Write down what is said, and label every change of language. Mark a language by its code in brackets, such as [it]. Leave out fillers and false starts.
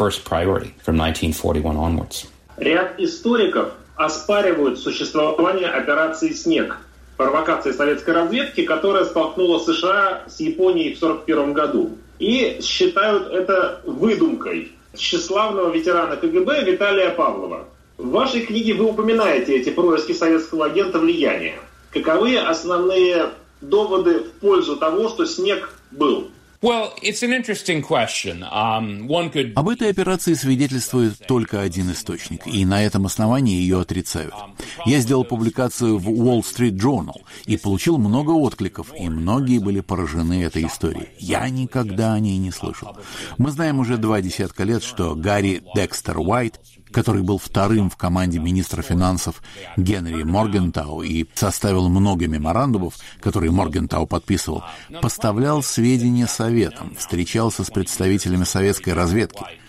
[ru] Ряд историков оспаривают существование операции «Снег», провокации советской разведки, которая столкнула США с Японией в 41-м году, и считают это выдумкой тщеславного ветерана КГБ Виталия Павлова. В вашей книге вы упоминаете эти происки советского агента влияния. Каковы основные доводы в пользу того, что «Снег» был? [en] Well, it's an interesting question. One could... [ru] Об этой операции свидетельствует только один источник, и на этом основании ее отрицают. Я сделал публикацию в Wall Street Journal и получил много откликов, и многие были поражены этой историей. Я никогда о ней не слышал. Мы знаем уже два десятка лет, что Гарри Декстер Уайт, который был вторым в команде министра финансов Генри Моргентау и составил много меморандумов, которые Моргентау подписывал, поставлял сведения советам, встречался с представителями советской разведки.